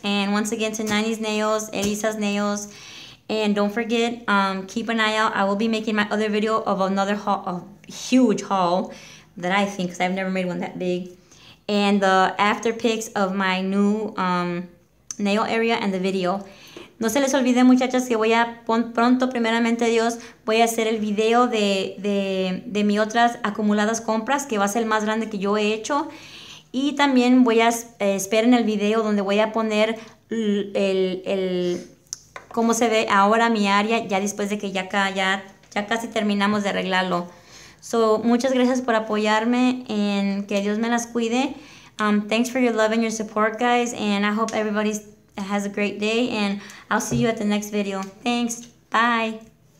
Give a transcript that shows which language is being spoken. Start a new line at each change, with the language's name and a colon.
English: And once again, to Nani's Nails, Elisa's Nails. And don't forget, keep an eye out. I will be making my other video of another haul, a huge haul that I think, because I've never made one that big. And the after pics of my new nail area and the video.
Spanish: No se les olvide, muchachas, que voy a pronto, primeramente Dios, voy a hacer el video de mis otras acumuladas compras, que va a ser el más grande que yo he hecho. Y también voy a esperen el video donde voy a poner el cómo se ve ahora mi área, ya después de que ya casi terminamos de arreglarlo. So, muchas gracias por apoyarme, and que Dios me las cuide.
English: Thanks for your love and your support, guys, and I hope everybody has a great day, and I'll see you at the next video. Thanks. Bye.